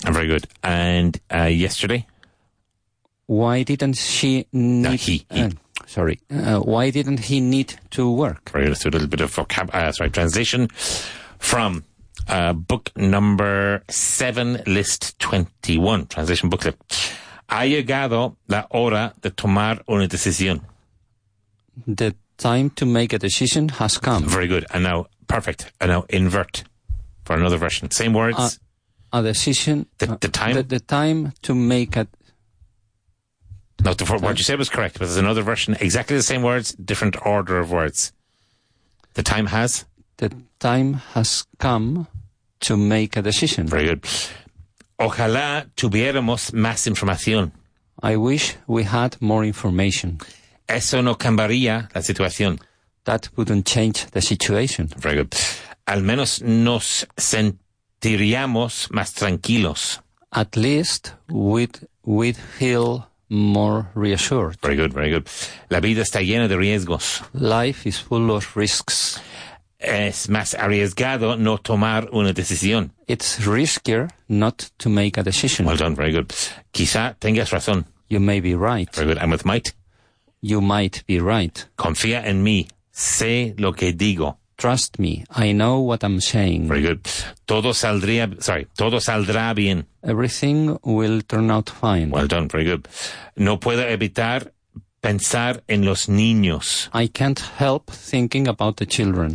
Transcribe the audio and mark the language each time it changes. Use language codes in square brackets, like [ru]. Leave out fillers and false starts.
[en] Very good. And yesterday? Why didn't she need... why didn't he need to work? Right, let's do a little bit of transition from book number 7, list 21. Transition booklet. [es] Ha llegado la hora de tomar una decisión. [en] The time to make a decision has come. Very good. And now, perfect. And now, invert for another version. Same words. A decision... The time? The time to make a... No, what you said was correct, but there's another version, exactly the same words, different order of words. The time has come to make a decision. Very good. [es] Ojalá tuviéramos más información. [en] I wish we had more information. [es] Eso no cambiaría la situación. [en] That wouldn't change the situation. Very good. [es] Al menos nos sentiríamos más tranquilos. [en] At least we'd feel more reassured. Very good, very good. [es] La vida está llena de riesgos. [en] Life is full of risks. [es] Es más arriesgado no tomar una decisión. [en] It's riskier not to make a decision. Well done, very good. [es] Quizá tengas razón. [en] You may be right. Very good, I'm with might. You might be right. [es] Confía en mí, sé lo que digo. [en] Trust me, I know what I'm saying. Very good. [es] Todo saldrá bien. [en] Everything will turn out fine. Well done, very good. [es] No puedo evitar pensar en los niños. [en] I can't help thinking about the children.